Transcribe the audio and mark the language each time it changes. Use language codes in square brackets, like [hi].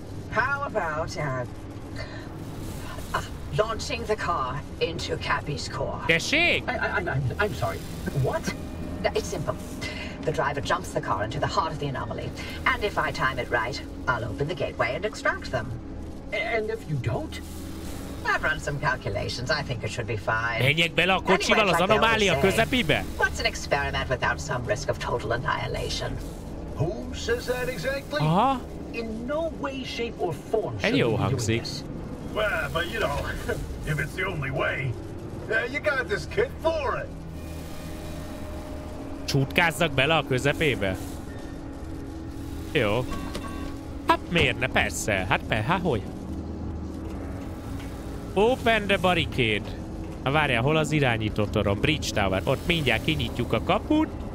[en] How about launching the car into Cappy's core? Deshig! I'm sorry. What? It's simple. The driver jumps the car into the heart of the anomaly, and if I time it right, I'll open the gateway and extract them. And if you don't? I've run some calculations. I think it should be fine. [hu] Menjek bele a kocsival az anomália közepébe! [en] What's an experiment without some risk of total annihilation? Who says that exactly? Aha. In no way, shape, or form should you be doing this. Well, but you know, if it's the only way, you got this kid for it. [hu] Csutkázzak bele a közepébe. Jó. Hát miért ne? Persze. Hát hogy? [en] Open the barricade. [hu] Na várjál, hol az irányító torom? Bridge Tower. Ott mindjárt kinyitjuk a kaput.